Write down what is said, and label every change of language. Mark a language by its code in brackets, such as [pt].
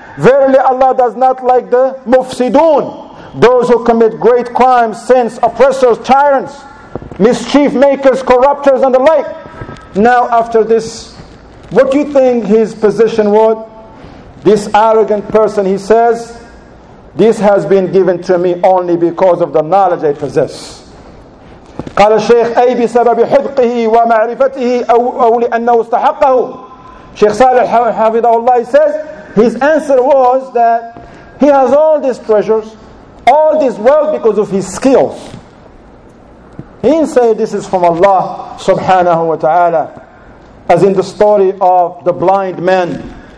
[en] Verily Allah does not like the mufsidun, those who commit great crimes, sins, oppressors, tyrants, mischief makers, corruptors and the like. Now after this, what do you think his position was? This arrogant person, he says, this has been given to me only because of the knowledge I possess. [ar] قال الشيخ أي بسبب حذقه ومعرفته أو لأنه استحقه. [en] Sheikh Saleh [ar] حفظه الله, [en] he says, his answer was that he has all these treasures, all this wealth because of his skills. He didn't say this is from Allah subhanahu wa ta'ala, as in the story of the blind man.